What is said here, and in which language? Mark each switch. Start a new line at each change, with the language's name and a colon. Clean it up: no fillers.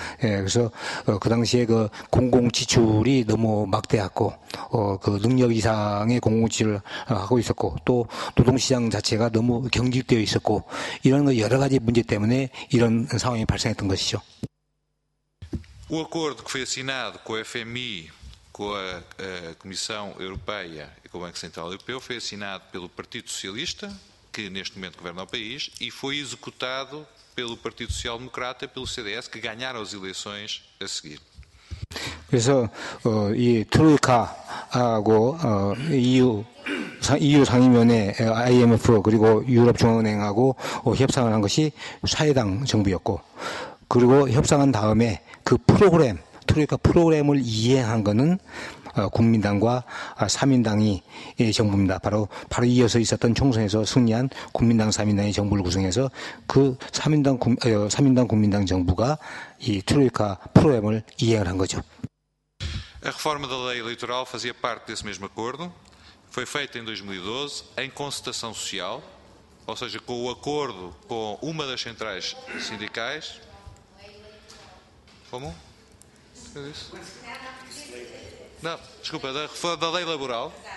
Korean: 그래서 그 당시에 공공지출이 너무 막대했고 능력 이상의 공공지출을 하고 있었고 또 노동시장 자체가 너무 경직되어 있었고 이런 여러 가지 문제 때문에 이런 상황이 발생했던 것이죠.
Portuguese: O acordo que foi assinado com o FMI com a Comissão Europeia e com o Banco Central Europeu, foi assinado pelo Partido Socialista, que neste momento governa o país, e foi executado pelo Partido Social Democrata, pelo CDS, que ganharam as eleições a seguir.
Korean: 그래서 이 트로이카하고 EU 상임위원회 IMF 그리고 유럽중앙은행하고 협상을 한 것이 사회당 정부였고 그리고 협상한 다음에 그 프로그램 트로이카 프로그램을 이행한 것은 국민당과 사민당이 정부입니다. 바로 이어서 있었던 총선에서 승리한 국민당 사민당의 정부를 구성해서 그 사민당 국민당 정부가 이 트로이카 프로그램을 이행을 한 거죠.
Portuguese: A reforma da lei eleitoral fazia parte desse mesmo acordo. Foi feita em 2012 em concertação social, ou seja, com o acordo com uma das centrais sindicais. Como? O que é isso? Não, desculpa, da reforma da lei laboral.